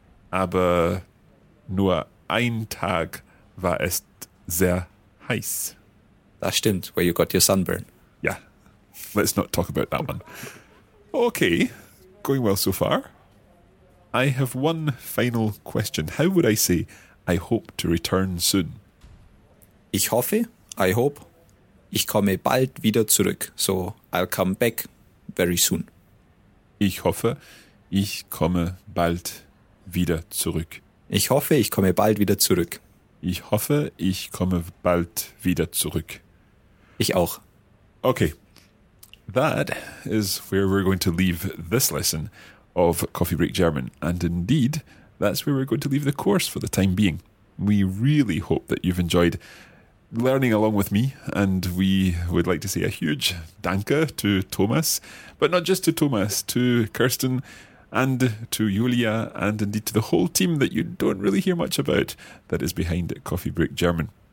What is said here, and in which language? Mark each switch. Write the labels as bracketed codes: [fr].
[de] Aber nur ein Tag war es sehr heiß. Das stimmt, [en] where you got your sunburn. Ja, let's not talk about that one. Okay, going well so far. I have one final question. How would I say, I hope to return soon? [de] Ich hoffe, [en] I hope, [de] ich komme bald wieder zurück. [en] So, I'll come back very soon. [de] Ich hoffe, ich komme bald wieder zurück. Ich hoffe, ich komme bald wieder zurück. Ich hoffe, ich komme bald wieder zurück. Ich auch. [en] Okay, that is where we're going to leave this lesson of Coffee Break German. And indeed, that's where we're going to leave the course for the time being. We really hope that you've enjoyed learning along with me. And we would like to say a huge danke to Thomas, but not just to Thomas, to Kirsten, and to Julia, and indeed to the whole team that you don't really hear much about that is behind Coffee Break German.